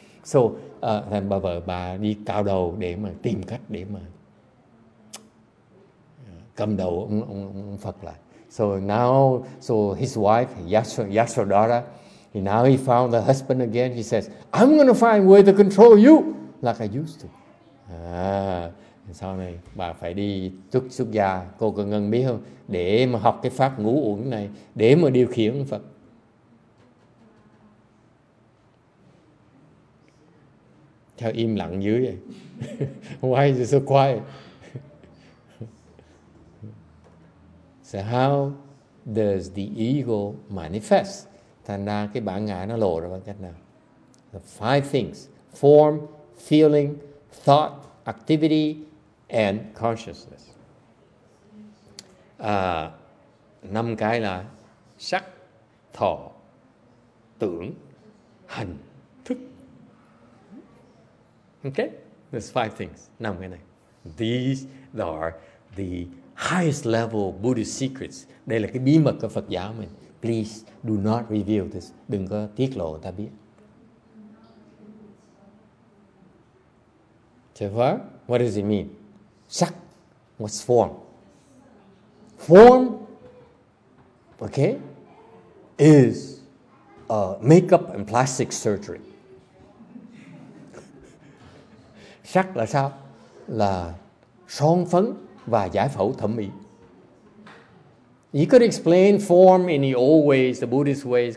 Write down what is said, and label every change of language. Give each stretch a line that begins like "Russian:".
Vietnamese: So thành bà vợ bà đi cạo đầu để mà tìm cách để mà cầm đầu ông Phật lại.
English: So his wife Yashodhara, now he found the husband again. He says, I'm going to find a way to control you like I used to.
Vietnamese: Sau này bà phải đi tuất xuất gia, cô có ngân biết không, để mà học cái pháp ngũ uẩn này để mà điều khiển ông Phật. Theo im lặng dưới vậy.
English: Why is it so quiet? So how does the ego manifest?
Vietnamese: Thành ra cái bản ngã nó lộ ra bằng cách nào?
English: The five things: form, feeling, thought, activity, and consciousness.
Vietnamese: Năm cái là sắc, thọ, tưởng, hành, thức.
English: Okay, there's five things.
Vietnamese: Năm cái này.
English: These are the highest level Buddhist secrets.
Vietnamese: Đây là cái bí mật của Phật giáo mình.
English: Please do not reveal this.
Vietnamese: Đừng có tiết lộ ta biết.
English: So far, what does it mean? Sắc, what's form? Form, okay, is makeup and plastic surgery.
Vietnamese: Sắc là sao? Là son phấn và giải phẫu thẩm mỹ.
English: You could explain form in the old ways, the Buddhist ways.